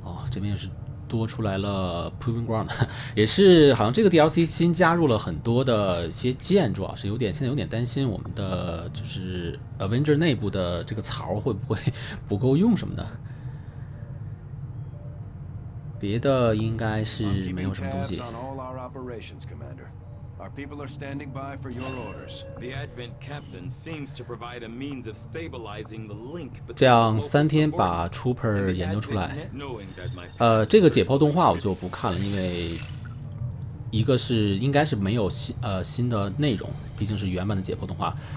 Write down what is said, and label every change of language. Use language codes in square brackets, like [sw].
[zh] 这边是。多出来了 Proving Ground， 也是好像这个 DLC 新加入了很多的一些建筑啊，是有点现在有点担心我们的就是 Avenger 内部的这个槽会不会不够用什么的，别的应该是没有什么东西。 [en] I'm keeping tabs on all our operations, Commander. Our people are standing by for your orders. The Advent Captain seems to provide a means of stabilizing the link between. [zh] 这样三天把 Trooper 研究出来。这个解剖动画我就不看了，因为一个是应该是没有新的内容，毕竟是原版的解剖动画。